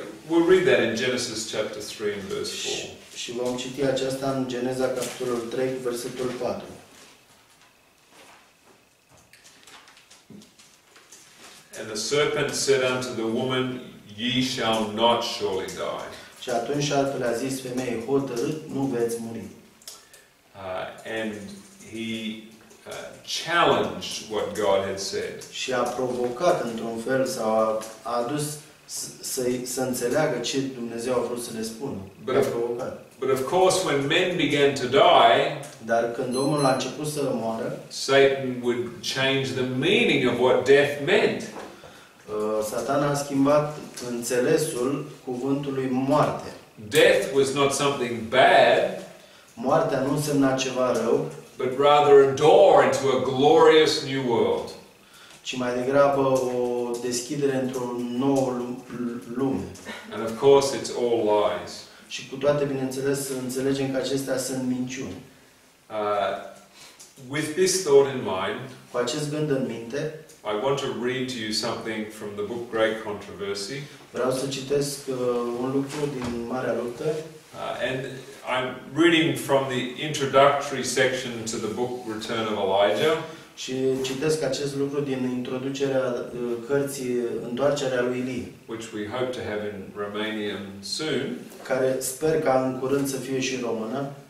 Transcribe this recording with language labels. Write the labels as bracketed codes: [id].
[en] We'll read that in Genesis chapter 3 and verse 4. [ro] Și vom citi aceasta în Geneza capitolul 3 versetul 4. [en] And the serpent said unto the woman, "Ye shall not surely die." [ro] Și atunci șarpele a zis femeii, hotărât, nu veți muri. [en] And he challenged what God had said. [ro] Și a provocat într-un fel sau a adus să înțeleagă ce Dumnezeu a vrut să le spună. [en] But of course, when men began to die, [ro] dar când omul a început să moară, [en] Satan would change the meaning of what death meant. [ro] Satan a schimbat înțelesul cuvântului moarte. [en] Death was not something bad. [ro] Moartea nu însemna ceva rău. [en] But rather a door into a glorious new world. [ro] Ci mai degrabă o deschidere într-o nouă lume. [en] And of course, it's all lies. [ro] Și cu toate, bineînțeles, să înțelegem că acestea sunt minciuni. [en] With this thought in mind, [ro] cu acest gând în minte, [en] I want to read to you something from the book Great Controversy. [ro] Vreau să citesc un lucru din Marea Luptă. [en] And I'm reading from the introductory section to the book Return of Elijah. [ro] Și citesc acest lucru din introducerea cărții Întoarcerea lui Ilie, [en] which we hope to have in Romania soon, [ro] care sper ca în curând să fie și română.